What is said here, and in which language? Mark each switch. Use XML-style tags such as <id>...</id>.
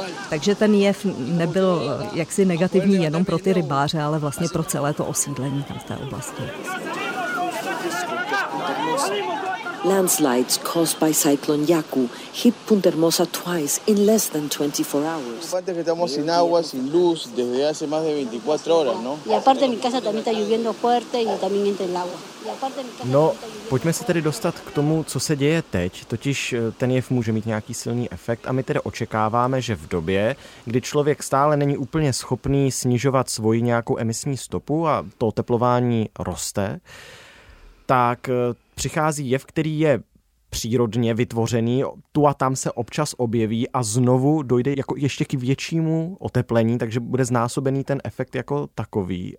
<cs>Takže ten jev nebyl jaksi negativní jenom pro ty rybáře, ale vlastně pro celé to osídlení tam v té oblasti.</cs> <en>Landslides caused by cyclone Yaku hit Punta Hermosa twice in less than 24 hours.</en> <es>Aparte que estamos sin agua, sin luz desde hace más de 24 horas, ¿no? Y aparte mi casa también está lloviendo fuerte y también entra el agua.</es> <cs>No, pojďme se tedy dostat k tomu, co se děje teď, totiž ten jev může mít nějaký silný efekt a my tedy očekáváme, že v době, kdy člověk stále není úplně schopný snižovat svoji nějakou emisní stopu a to oteplování roste, tak přichází jev, který je přírodně vytvořený, tu a tam se občas objeví a znovu dojde jako ještě k většímu oteplení, takže bude znásobený ten efekt jako takový.</cs>